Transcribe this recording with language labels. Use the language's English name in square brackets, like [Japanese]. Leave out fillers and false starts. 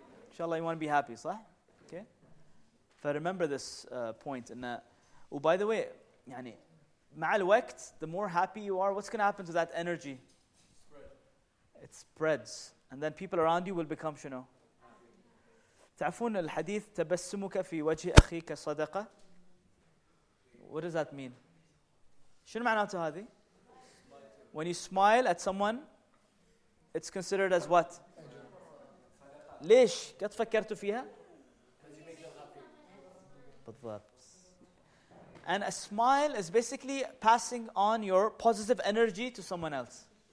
[English] Inshallah, you want to be happy, [Arabic] صح? [English] Okay? If I remember this point, and by the way, [Arabic] يعني, مع الوقت, [English] the more happy you are, what's going to happen to that energy? It spreads. And then people around you will become, you know? [Arabic] تعرفون الحديث تبسمك في وجه أخيك صدقة. [English] What does that mean? [Arabic] شنو معناته هذه? [English] When you smile at someone, it's considered as what? [Arabic] ليش? قد فكرتوا فيها? بالضبط. [English] And a smile is basically passing on your positive energy to someone else.